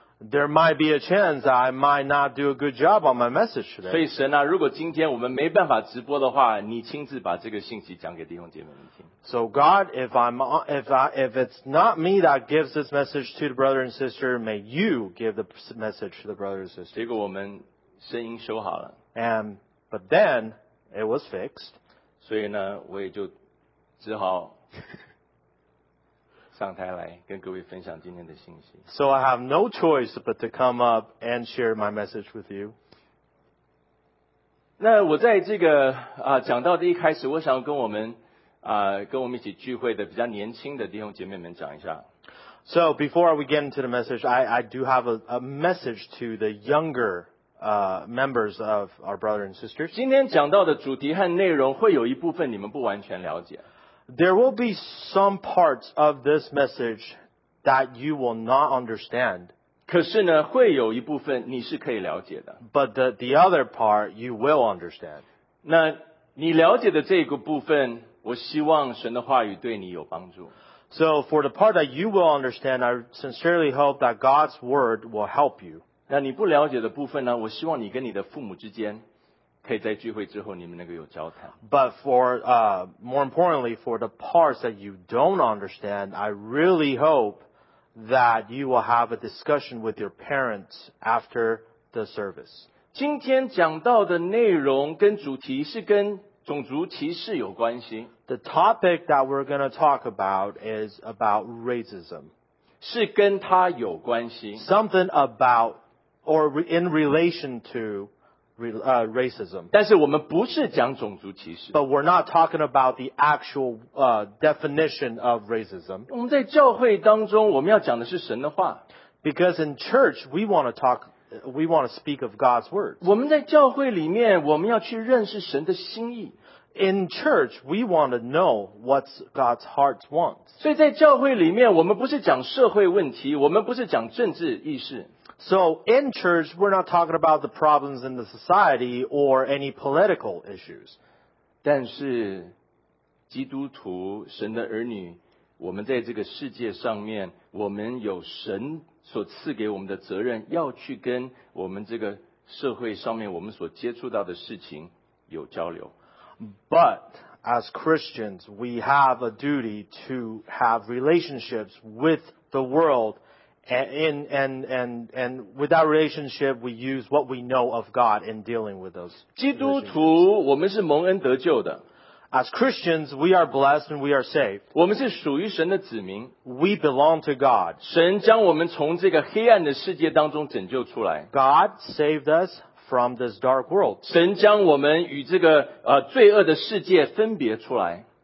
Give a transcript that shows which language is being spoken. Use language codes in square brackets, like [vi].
[en] There might be a chance I might not do a good job on my message today. [zh] 所以神啊，如果今天我们没办法直播的话，你亲自把这个信息讲给弟兄姐妹们听。 [en] So God, if it's not me that gives this message to the brother and sister, may you give the message to the brother and sister. [zh] 结果我们声音修好了。 [en] But then it was fixed. [zh] 所以呢，我也就只好上台来跟各位分享今天的信息。 [en] So I have no choice but to come up and share my message with you. [zh] 那我在这个讲到的一开始，我想跟我们跟我们一起聚会的比较年轻的弟兄姐妹们讲一下。 [en] So before we get into the message, I do have a message to the younger. Members of our brothers and sisters. [zh] 今天讲到的主题和内容会有一部分你们不完全了解。 [en] There will be some parts of this message that you will not understand. [zh] 可是呢，会有一部分你是可以了解的。 [en] But the other part you will understand. [zh] 那你了解的这个部分，我希望神的话语对你有帮助。 [en] So for the part that you will understand, I sincerely hope that God's word will help you. [zh] 那你不了解的部分呢？我希望你跟你的父母之间，可以在聚会之后你们能够有交谈。 [en] But for more importantly, for the parts that you don't understand, I really hope that you will have a discussion with your parents after the service. [zh] 今天讲到的内容跟主题是跟种族歧视有关系。 [en] The topic that we're going to talk about is about racism. [zh] 是跟他有关系。 [en] Something about or in relation to racism. [zh] 但是我们不是讲种族歧视。 [en] But we're not talking about the actual definition of racism. [zh] 我们在教会当中我们要讲的是神的话。 [en] Because in church, we want to speak of God's word. [zh] 我们在教会里面我们要去认识神的心意。 [en] In church, we want to know what God's heart wants. [zh] 所以在教会里面我们不是讲社会问题我们不是讲政治意识。 [en] So in church, we're not talking about the problems in the society or any political issues. [zh] 但是基督徒神的儿女我们在这个世界上面我们有神所赐给我们的责任要去跟我们这个社会上面我们所接触到的事情有交流。 [en] But as Christians, we have a duty to have relationships with the world and with that relationship, we use what we know of God in dealing with those. [zh] 基督徒我们是蒙恩得救的。 [en] As Christians, we are blessed and we are saved. [zh] 我们是属于神的子民。 [en] We belong to God. [zh] 神将我们从这个黑暗的世界当中拯救出来。 [en] God saved us from this dark world. [zh] 神将我们与这个罪恶的世界分别出来。